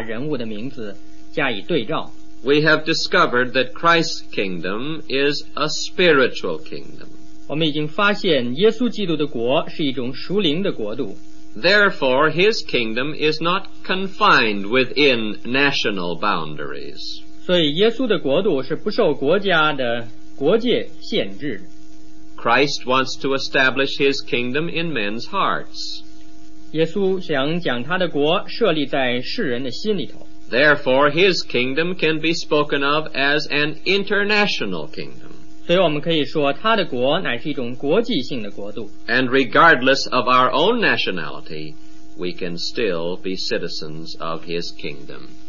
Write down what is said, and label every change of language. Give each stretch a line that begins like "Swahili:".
Chinese: 在今天我们是以耶稣基督的名和历史上其他的伟大人物的名字加以对照。
English: We have discovered that Christ's kingdom is a spiritual kingdom.
Chinese: 我们已经发现耶稣基督的国是一种属灵的国度。
English: Therefore, his kingdom is not confined within national boundaries.
Chinese: 所以耶稣的国度是不受国家的国界限制。Christ
English: wants to establish his kingdom in men's hearts.
Chinese: 耶稣想将他的国设立在世人的心里头。
English: Therefore, his kingdom can be spoken of as an international kingdom.
Chinese: 所以我们可以说他的国乃是一种国际性的国度。
English: And regardless of our own nationality, we can still be citizens of his kingdom.